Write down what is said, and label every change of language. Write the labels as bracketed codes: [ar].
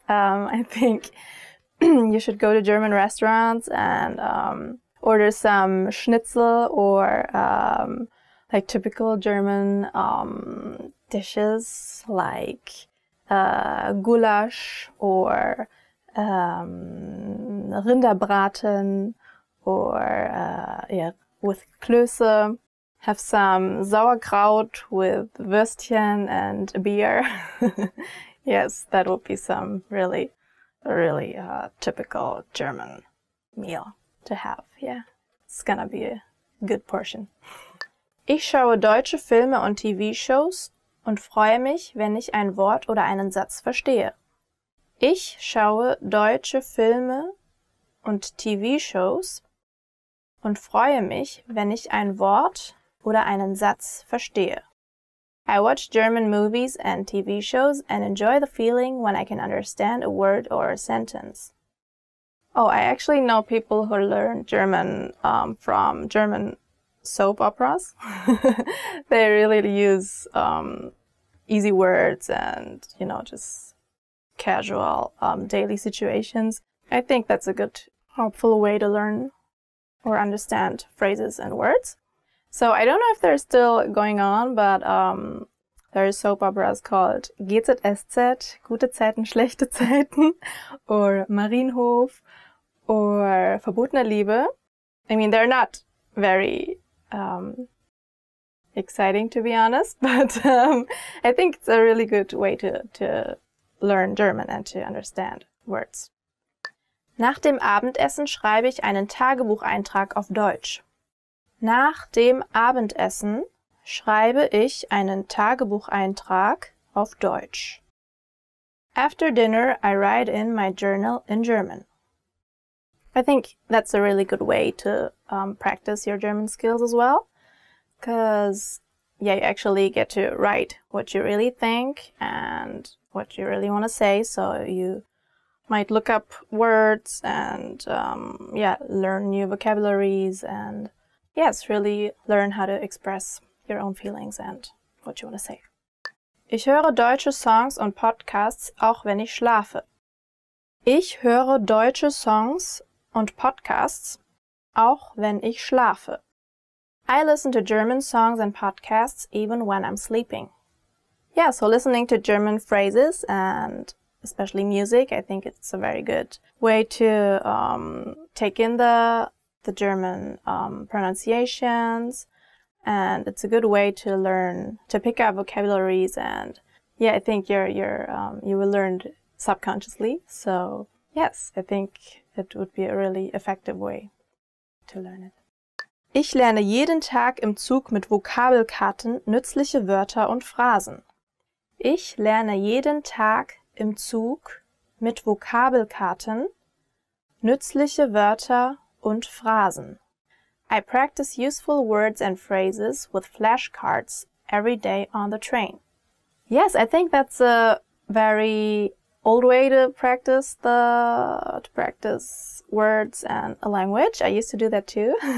[en] I think you should go to German restaurants and order some schnitzel or like typical German dishes like goulash or Rinderbraten or with Klöße. Have some sauerkraut with Würstchen and a beer. Yes, that would be some really, really typical German meal to have. Yeah, it's gonna be a good portion. [de] Ich schaue deutsche Filme und TV-Shows und freue mich, wenn ich ein Wort oder einen Satz verstehe. Ich schaue deutsche Filme und TV-Shows und freue mich, wenn ich ein Wort oder einen Satz verstehe. [en] I watch German movies and TV shows and enjoy the feeling when I can understand a word or a sentence. Oh, I actually know people who learn German from German soap operas. They really use easy words and, you know, just casual daily situations. I think that's a good, helpful way to learn or understand phrases and words. So I don't know if they're still going on, but there are soap operas called GZSZ, Gute Zeiten, Schlechte Zeiten, or Marienhof, or Verbotene Liebe. I mean, they're not very exciting, to be honest, but I think it's a really good way to learn German and to understand words. [de] Nach dem Abendessen schreibe ich einen Tagebucheintrag auf Deutsch. Nach dem Abendessen schreibe ich einen Tagebucheintrag auf Deutsch. [en] After dinner, I write in my journal in German. I think that's a really good way to practice your German skills as well. Because, yeah, you actually get to write what you really think and what you really want to say. So you might look up words and, learn new vocabularies and... Yes, really learn how to express your own feelings and what you want to say. [de] Ich höre deutsche Songs und Podcasts, auch wenn ich schlafe. Ich höre deutsche Songs und Podcasts, auch wenn ich schlafe. [en] I listen to German songs and podcasts even when I'm sleeping. Yeah, so listening to German phrases and especially music, I think it's a very good way to take in the German pronunciations, and it's a good way to learn to pick up vocabularies, and yeah, I think you will learn subconsciously. So yes, I think it would be a really effective way to learn it. [de] Ich lerne jeden Tag im Zug mit Vokabelkarten nützliche Wörter und Phrasen. Ich lerne jeden Tag im Zug mit Vokabelkarten nützliche Wörter und Phrasen. [en] I practice useful words and phrases with flashcards every day on the train. Yes, I think that's a very old way to practice words and a language. I used to do that too.